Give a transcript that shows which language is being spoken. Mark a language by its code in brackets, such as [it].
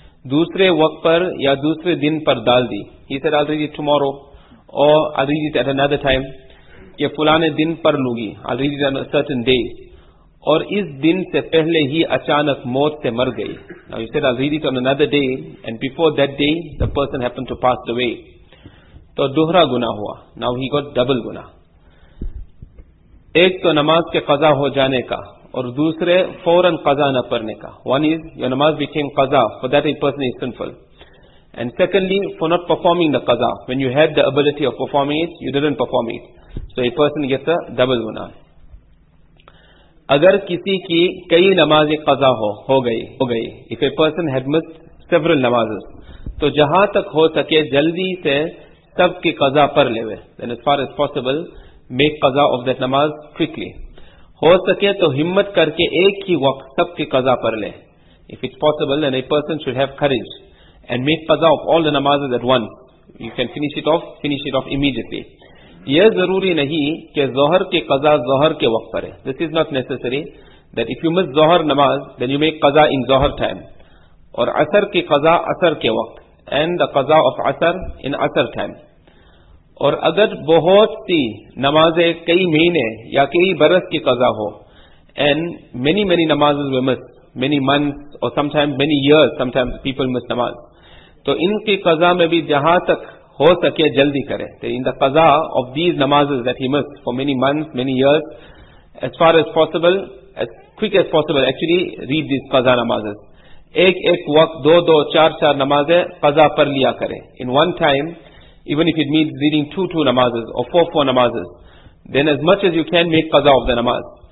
[ur] Dusre waqt par ya dusre din par dal di. [en] He said, I'll read it tomorrow, or I'll read it at another time. [ur] Ye fulane din par lugi, [en] I'll read it on a certain day. [ur] Or is din se pehle hi achanak maut se mar gayi. [en] Now he said, I'll read it on another day, and before that day, the person happened to pass away. [ur] تو دوہرا گناہ ہوا. [en] Now he got double [ur] گناہ. ایک تو نماز کے قضا ہو جانے کا اور دوسرے فوراً قضا نہ پڑنے کا. [en] One is your namaz became qaza, for that a person is sinful. And secondly, for not performing the qaza. When you had the ability of performing it, you didn't perform it. So a person gets a double [ur] گناہ. اگر کسی کی کئی نمازیں قضا ہو گئی. [en] If a person had missed several [ur] نمازes, تو جہاں تک ہو سکے جلدی سے سب کی قضا پر لے ہوئے. [en] Then as far as possible, make qaza of that namaz quickly. [ur] ہو سکے تو ہمت کر کے ایک ہی وقت سب کی قضا پر لے. [en] If it's possible, then a person should have courage and make qaza of all the نمازes at once. You can finish it off immediately. [ur] یہ ضروری نہیں کہ ظہر کی قضا ظہر کے وقت پر ہے. [en] This is not necessary that if you miss Zuhr namaz, then you make qaza in Zuhr time. [ur] اور عصر کی قضا عصر کے وقت. [en] And the qaza of asr in asr time. [ur] Aur agar bahut si namazein kai mahine ya kai baras ki qaza ho, [en] and many namazes were missed, many months or sometimes many years, sometimes people miss namaz, [ur] to inki qaza mein bhi jahan tak ho sake jaldi kare. [en] So in the qaza of these namazes that he missed for many months, many years, as far as possible, as quick as possible, actually read these qaza namazes. [ur] ایک ایک وقت دو دو چار چار نمازیں قضا پر لیا کریں. [en] In one time, even if it means reading two namazes or four namazes, then as much as you can make qaza of the namaz.